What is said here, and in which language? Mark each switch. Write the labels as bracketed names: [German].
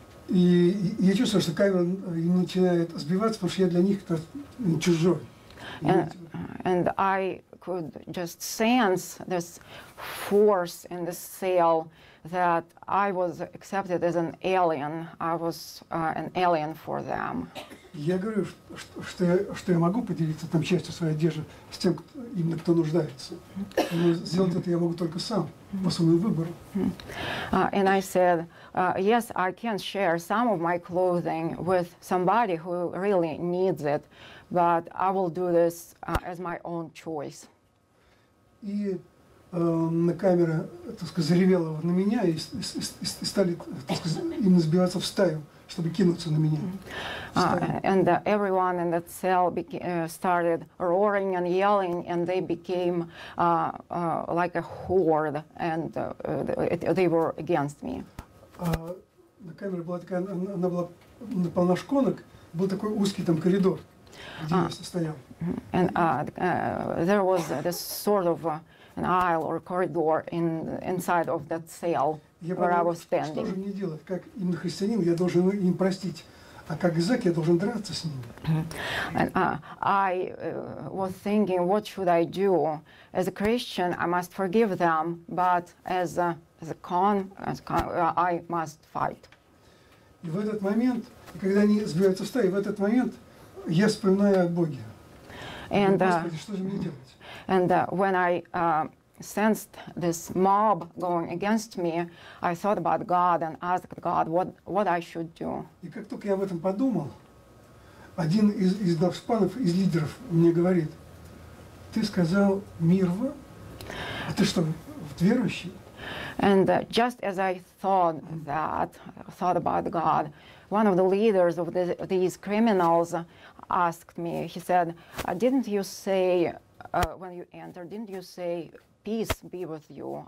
[Russian] И я чувствую, что камера начинает сбиваться, потому что я для них чужой. [English] And I could just sense this force in the cell that I was accepted as an alien. I was an alien for them. [Russian] Я говорю, что я могу поделиться там частью своей одежды с тем, кто нуждается. Но сделать это я могу только сам, по своему выбору. [English] And I said, yes, I can share some of my clothing with somebody who really needs it, but I will do this as my own choice. [Russian] И на камера, так сказать, заревела на меня и стали, так сказать, именно сбиваться в стаю, чтобы кинуться на меня. [English] And everyone in that cell started roaring and yelling, and they became like a horde, and they were against me. [Russian] На камере была такая, она была наполна шконок, был такой узкий там коридор, где я стоял. [English] And there was this sort of an aisle or corridor inside of that cell. [Russian] Я [English] where I was standing. [Russian] Что же мне делать? Как именно христианин, я должен им простить, а как зэк, я должен драться с ними. [English] And I was thinking, what should I do? As a Christian, I must forgive them, but as a con, I must fight. [Russian] И в этот момент, когда они сбиваются в стаи, в этот момент я вспоминаю о Боге. [English] And, [Russian] Господи, что же мне делать? [English] And when I sensed this mob going against me, I thought about God and asked God what I should do. [Russian] И как только я об этом подумал, один из навспанов, из лидеров, мне говорит, ты сказал мир вам? А ты что, верующий? [English] And just as I thought about God, one of the leaders of these criminals asked me, he said, didn't you say, when you entered, didn't you say, peace be with you.